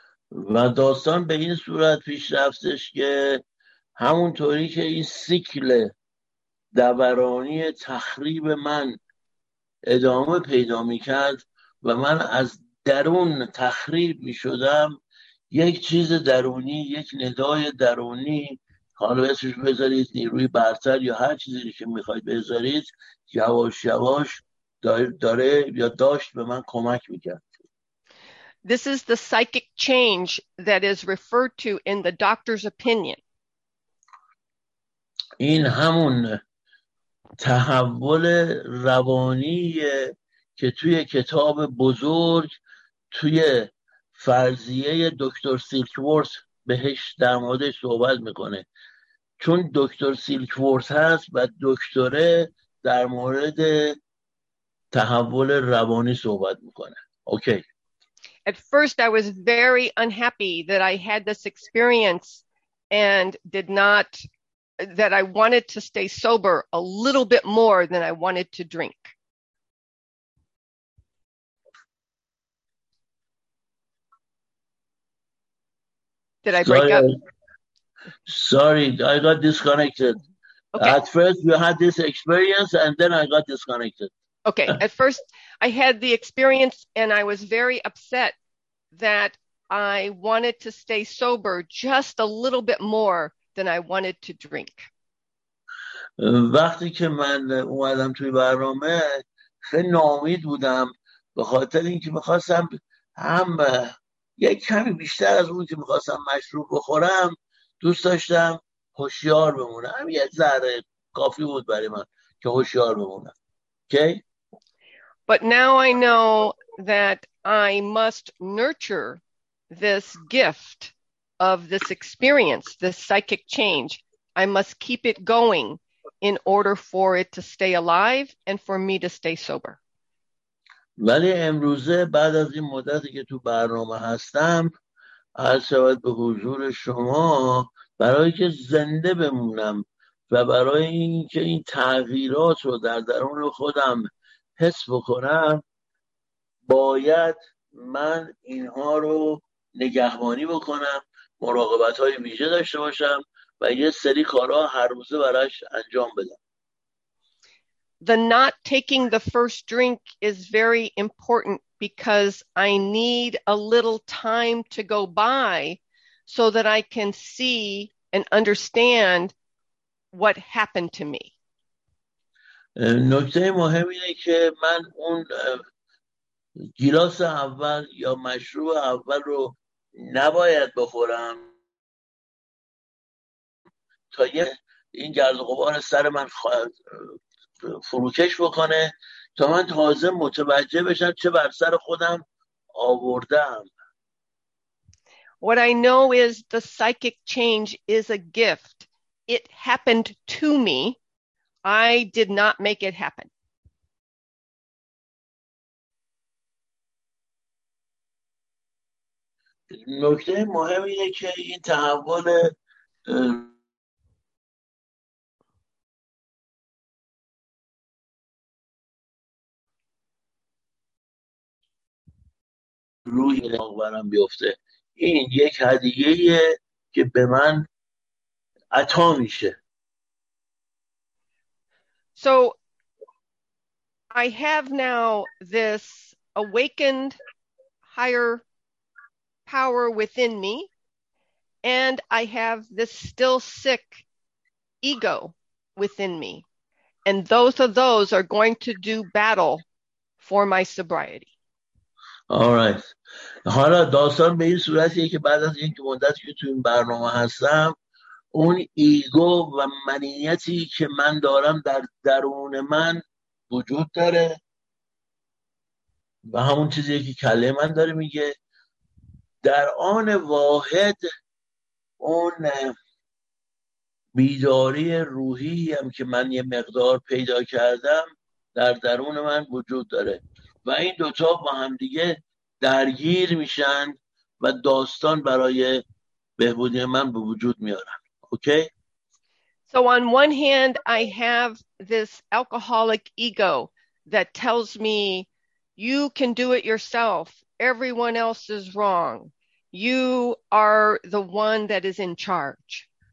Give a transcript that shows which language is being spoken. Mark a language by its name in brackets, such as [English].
[Persian] و داستان به این صورت پیش رفتش که همونطوری که این سیکل دورانی تخریب من ادامه پیدا میکرد و من از درون تخریب میشدم، یک چیز درونی، یک ندای درونی، حالا اسمش بذارید نیروی برتر یا هر چیزی که میخواید بذارید، یواش یواش داره یا داشت به من کمک میکرد. [English] This is the psychic change that is referred to in the doctor's opinion. [Persian] این همون تحول روانی که توی کتاب بزرگ توی فرضیه دکتر سیلکورث بهش در موردش صحبت میکنه. چون دکتر سیلکورث هست و دکتره در مورد تحول روانی صحبت میکنه. [English] Okay. At first, I was very unhappy that I had this experience and did not, that I wanted to stay sober a little bit more than I wanted to drink. Did I break Sorry. up? Sorry, I got disconnected. Okay. At first, you had this experience and then I got disconnected. Okay, at first, I had the experience and I was very upset that I wanted to stay sober just a little bit more than I wanted to drink. [Persian] وقتی که من اومدم توی برنامه خیلی ناامید بودم به خاطر اینکه می‌خواستم هم یک کمی بیشتر از اون که می‌خواستم مشروب بخورم، دوست داشتم هوشیار بمونم. یه ذره کافی بود برای من که هوشیار بمونم. [English] Okay? But now I know that I must nurture this gift of this experience, this psychic change. I must keep it going in order for it to stay alive and for me to stay sober. [Persian] ولی امروزه بعد از این مدتی که تو برنامه هستم، عرض شود به حضور شما برای که زنده بمونم و برای اینکه این تغییرات رو در درون خودم حس بکنم، باید من اینها رو نگهبانی بکنم، مراقبت‌های ویژه داشته باشم و یه سری کارها هر روزه براش انجام بدم. [English] The not taking the first drink is very important because I need a little time to go by so that I can see and understand what happened to me. [Persian] نکته مهم اینه که من اون گیلاس اول یا مشروب اول رو نباید بخورم تا این گرد و غبار سر من فروکش بکنه، تا من تازه متوجه بشم چه بر سر خودم آوردم. [English] What I know is the psychic change is a gift. It happened to me. I did not make it happen. [Persian] نکته مهم اینه که این تحول روی آورم بیفته، این یک هدیه‌ایه که به من عطا میشه. [English] So I have now this awakened higher power within me, and I have this still sick ego within me, and those are going to do battle for my sobriety. All right. [Persian] حالا داستان به این صورتیه که بعد از اینکه مدتی که تو این برنامه هستم، اون ایگو و منیتی که من دارم در درون من وجود داره و همون چیزی که کله من داره میگه، در آن واحد اون بیداری روحی هم که من یه مقدار پیدا کردم در درون من وجود داره و این دوتا با هم دیگه درگیر میشن و داستان برای بهبودی من به وجود میارن. [English] Okay. So on one hand, I have this alcoholic ego that tells me, you can do it yourself. Everyone else is wrong. You are the one that is in charge.